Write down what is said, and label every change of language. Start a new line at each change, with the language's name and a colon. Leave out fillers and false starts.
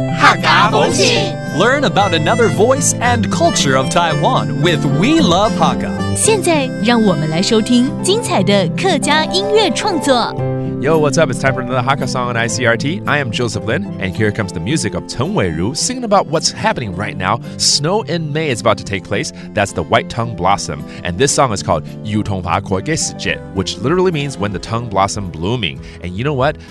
English: Learn about another voice and culture of Taiwan with We Love Hakka.
Chinese: 现在让我们来收听精彩的客家音乐创作。
English: Yo, what's up? It's time for another Hakka song on ICRT. I am Joseph Lin, and here comes the music of Chen Wei-roo singing about what's happening right now. Snow in May is about to take place. That's the white Tung Blossom. And this song is called 油桐花開的時節, which literally means when the Tung Blossom Blooming. And you know what?